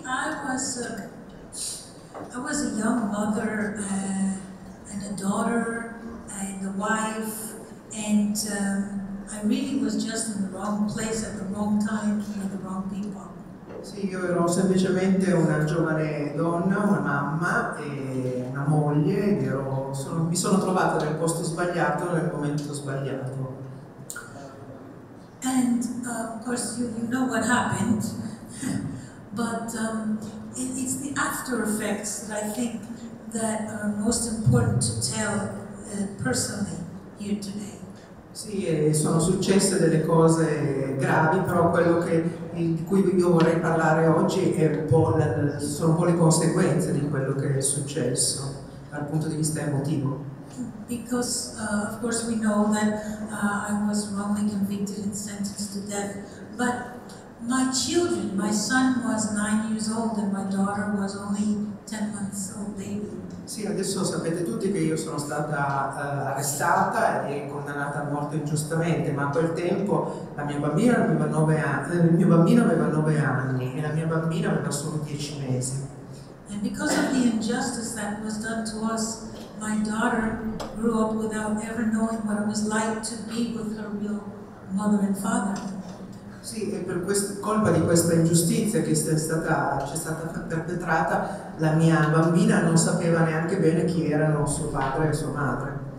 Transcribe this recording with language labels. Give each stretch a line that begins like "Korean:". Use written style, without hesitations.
English: I was a young mother and a daughter and a wife, and I really was just in the wrong place at the wrong time with the wrong people.
Italian: Sì, io ero semplicemente una giovane donna, una mamma e una moglie, mi sono trovata nel posto sbagliato nel momento sbagliato.
English: And of course you know what happened, but it's the after effects that I think that are most important to tell personally here today.
Italian: Sì, sono successe delle cose gravi, però quello che di cui io vorrei parlare oggi è un po' sono un po' le conseguenze di quello che è successo dal punto di vista emotivo.
English: Because of course we know that I was wrongly convicted and sentenced to death, but my children, my son was 9 years old and my daughter was only 10 months old baby.
Italian: Sì, adesso sapete tutti che io sono stata arrestata e condannata a morte ingiustamente, ma a quel tempo il mio bambino aveva nove anni e la mia bambina aveva solo 10 mesi.
English: And because of the injustice that was done to us, my daughter grew up without ever knowing what it was like to be with her real mother and father.
Italian: Sì, Sì, e per questa colpa di questa ingiustizia che ci è stata perpetrata, la mia bambina non sapeva neanche bene chi erano suo padre e sua madre.